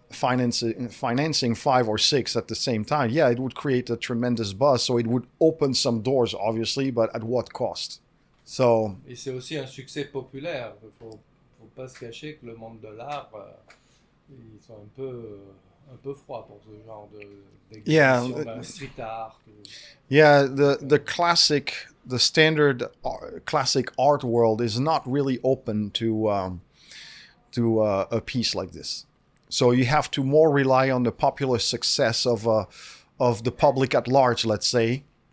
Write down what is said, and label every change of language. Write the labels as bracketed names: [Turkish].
[English] So financing five or six at the same time, yeah, it would create a tremendous buzz. So it would open some doors, obviously, but at what cost? So, [French] et c'est aussi un succès populaire. Faut pas se cacher que le monde de l'art, ils sont un peu froid pour ce genre de street art. [English] Yeah, the standard classic art world is not really open to a piece like this. So you have to more rely on the popular success of the public at large, let's say.